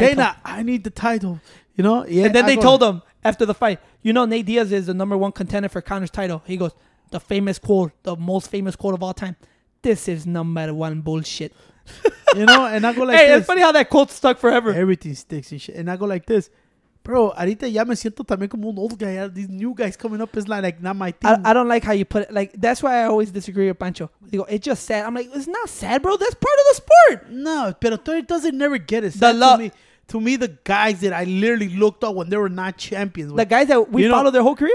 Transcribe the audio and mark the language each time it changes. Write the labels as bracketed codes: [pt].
[en] Dana, I need the title. You know? Yeah, and then they told him, after the fight, you know Nate Diaz is the number one contender for Conor's title. He goes, the famous quote, the most famous quote of all time, this is number one bullshit. You know, and I go like, hey, this. Hey, it's funny how that quote stuck forever. Everything sticks and shit. And I go like this. [es] Bro, ahorita ya me siento también como un old guy. [en] These new guys coming up is like not my thing. I don't like how you put it. Like, that's why I always disagree with Pancho. You go, it's just sad. I'm like, it's not sad, bro. That's part of the sport. No, pero Tony doesn't never get it. Sad to me. To me, the guys that I literally looked up when they were not champions. The guys that we followed their whole career.